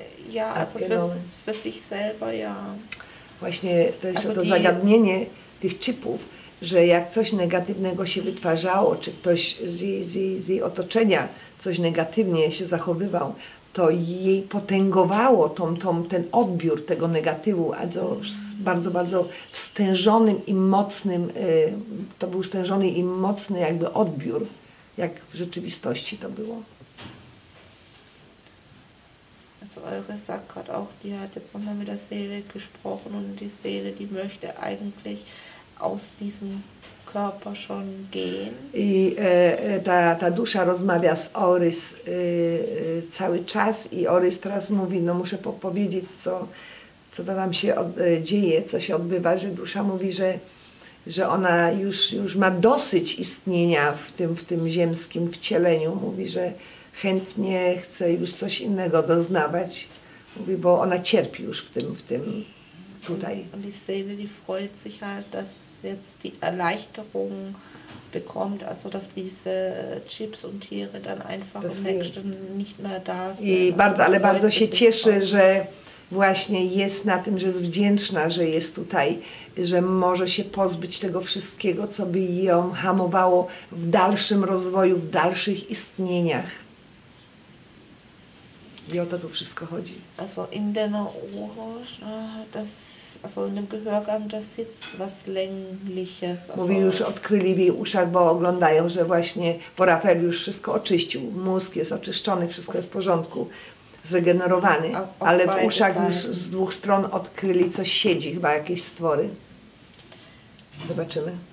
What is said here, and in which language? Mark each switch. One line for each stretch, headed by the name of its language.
German: Ja, also für sich selber, ja.
Polish: Właśnie to jest to zagadnienie tych chipów, że jak coś negatywnego się wytwarzało, czy ktoś z jej otoczenia coś negatywnie się zachowywał, to jej potęgowało ten odbiór tego negatywu, also z bardzo, bardzo wstężonym i mocnym, to był stężony i mocny jakby odbiór, jak w rzeczywistości to było.
German: Also eure sagt gerade auch, die hat jetzt nochmal mit der Seele gesprochen und die Seele, die möchte eigentlich aus diesem Körper schon gehen.
Polish: I ta dusza rozmawia z Orys cały czas i Orys teraz mówi, no muszę powiedzieć, co tam się dzieje, co się odbywa, że dusza mówi, że ona już ma dosyć istnienia w tym ziemskim wcieleniu. Mówi, że chętnie chce już coś innego doznawać. Mówi, bo ona cierpi już w tym tutaj.
German: Und die Seele, die freut sich halt, dass jetzt die Erleichterung bekommt, also dass diese Chips und Tiere dann einfach im nächsten nicht mehr da sind.
Polish: I bardzo, ale bardzo się cieszy, że właśnie jest na tym, że jest wdzięczna, że jest tutaj, że może się pozbyć tego wszystkiego, co by ją hamowało w dalszym rozwoju, w dalszych istnieniach. I o to tu wszystko chodzi.
German: Also in den Ohren, in dem Gehörgang, das sitzt was längliches.
Polish: Mówi, już odkryli w jej uszach, bo oglądają, że właśnie po Rafael już wszystko oczyścił. Mózg jest oczyszczony, wszystko jest w porządku, zregenerowany. Ale w uszach już z dwóch stron odkryli, coś siedzi, chyba jakieś stwory. Zobaczymy.